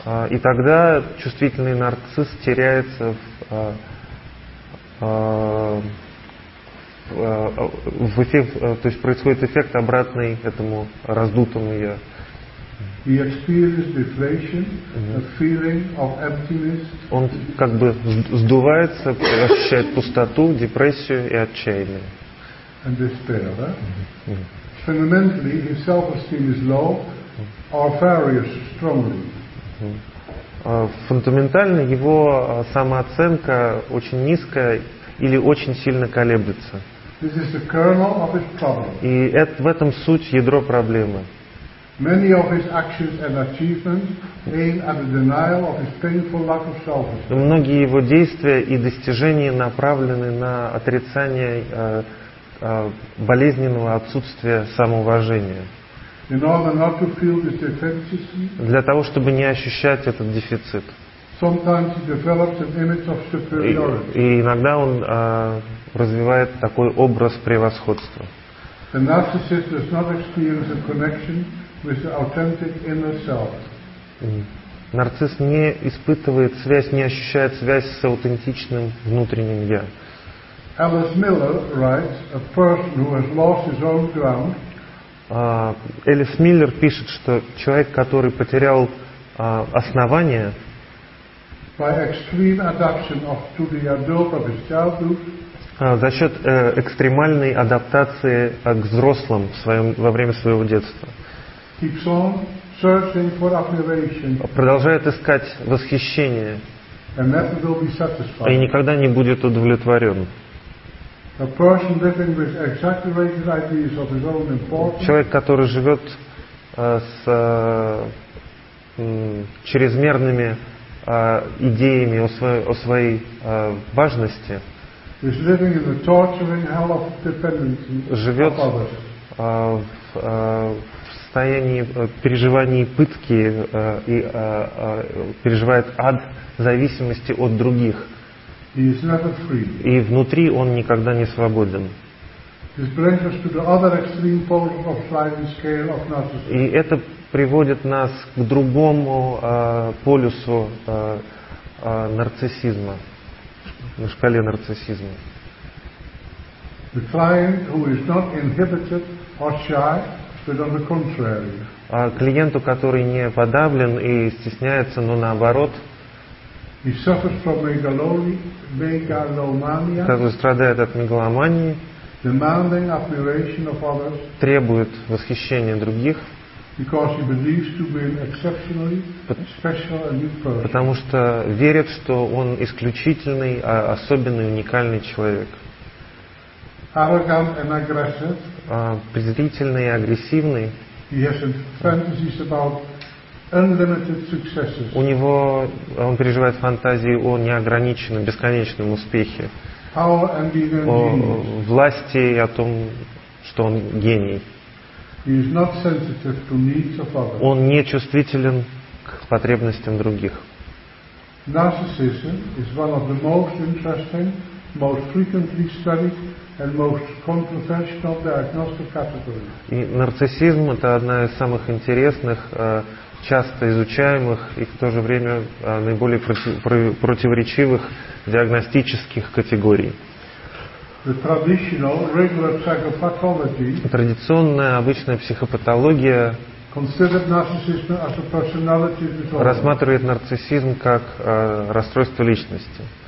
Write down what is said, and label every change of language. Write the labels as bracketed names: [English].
[Russian] И тогда чувствительный нарцисс теряется в эффект, то есть происходит эффект обратный этому раздутому я. [English] He experiences deflation, a feeling of emptiness. [Russian] Он как бы сдувается, ощущает пустоту, депрессию и отчаяние. [English] And despair, да? Fundamentally, his self-esteem is low or varies strongly. [Russian] Фундаментально его самооценка очень низкая или очень сильно колеблется. [English] This is the kernel of his problem. [Russian] И в этом суть, ядро проблемы. [English] Many of his actions and achievements aim at the denial of his painful lack of self-esteem. [Russian] Многие его действия и достижения направлены на отрицание болезненного отсутствия самоуважения. [English] In order not to feel this deficiency, [Russian] для того, чтобы не ощущать этот дефицит. [English] Sometimes he develops an image of superiority. [Russian] И иногда он развивает такой образ превосходства. [English] The narcissist does not experience a connection with the authentic inner self. [Russian] Нарцисс не испытывает связь, не ощущает связь с аутентичным внутренним я. [English] Alice Miller writes, a person who has lost his own ground. [Russian] Элис Миллер пишет, что человек, который потерял основание, [English] by extreme adaptation to the adult of his childhood, [Russian] За счет экстремальной адаптации к взрослым в своем, во время своего детства. [English] Keeps on searching for affirmation. [Russian] Продолжает искать восхищение. [English] And never will be satisfied. [Russian] И никогда не будет удовлетворен. [English] A person living with exaggerated ideas of his own importance. [Russian] Человек, который живет с чрезмерными идеями о своей важности, [English] is living in the torturing hell of dependency. [Russian] Живет в состоянии переживания пытки и переживает ад зависимости от других. [English] He is never free. [Russian] И внутри он никогда не свободен. [English] This brings us to the other extreme pole of sliding scale of narcissism. [Russian] И это приводит нас к другому полюсу нарциссизма, на шкале нарциссизма. [English] The client who is not inhibited or shy, but on the contrary. [Russian] Клиенту, который не подавлен и стесняется, но наоборот. [English] He suffers from megalomania. [Russian] Который страдает от мегаломании. [English] Demanding admiration of others. [Russian] Требует восхищения других. [English] Because he believes to be an exceptionally special and unique person. [Russian] Потому что верит, что он исключительный, особенный, уникальный человек. [English] Arrogant and aggressive. [Russian] Презрительный и агрессивный. [English] He has fantasies about unlimited successes. [Russian] У него он переживает фантазии о неограниченном, бесконечном успехе. [English] Power and being a genius. [Russian] О власти и о том, что он гений. [English] He is not sensitive to needs of others. [Russian] Он не чувствителен к потребностям других. [English] Narcissism is one of the most interesting, most frequently studied, and most controversial diagnostic categories. [Russian] И нарциссизм — это одна из самых интересных, часто изучаемых и в то же время наиболее противоречивых диагностических категорий. [English] The traditional regular psychopathology. [Russian] Традиционная обычная психопатология [English] considered narcissism as a personality disorder. [Russian] Рассматривает нарциссизм как расстройство личности.